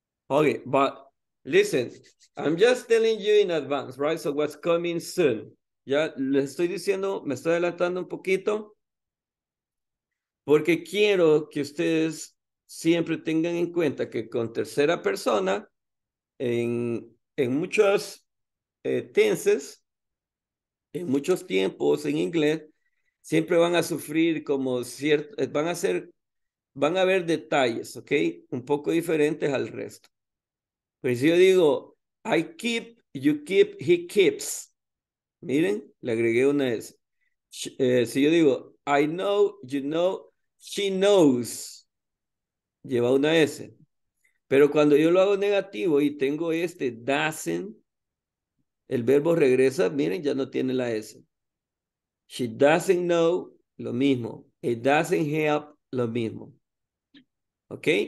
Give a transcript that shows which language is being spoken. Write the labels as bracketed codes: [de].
[en] Okay, but listen, I'm just telling you in advance, right? So what's coming soon? [es] Ya les estoy diciendo, me estoy adelantando un poquito. Porque quiero que ustedes siempre tengan en cuenta que con tercera persona, en muchos tenses, en muchos tiempos en inglés, siempre van a sufrir como cierto, van a ver detalles, ¿ok? Un poco diferentes al resto. Pero si yo digo, [en] I keep, you keep, he keeps. [es] Miren, le agregué una S. Si yo digo, [en] I know, you know, she knows. [es] Lleva una S. Pero cuando yo lo hago negativo y tengo este doesn't, el verbo regresa, miren, ya no tiene la S. [en] She doesn't know, [es] lo mismo. [en] It doesn't help, lo mismo. ¿Ok?